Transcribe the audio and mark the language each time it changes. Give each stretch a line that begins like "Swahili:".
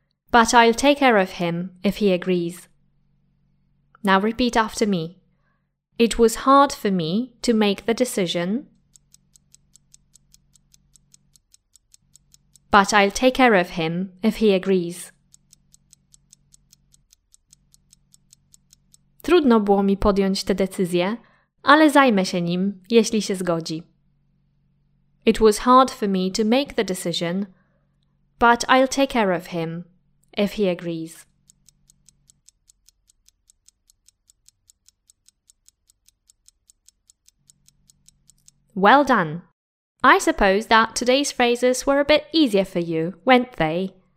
English: but I'll take care of him if he agrees. Now repeat after me. It was hard for me to make the decision, but I'll take care of him if he agrees.
Polish: Trudno było mi podjąć tę decyzję, ale zajmę się nim, jeśli się zgodzi.
English: It was hard for me to make the decision, but I'll take care of him if he agrees. Well done. I suppose that today's phrases were a bit easier for you, weren't they?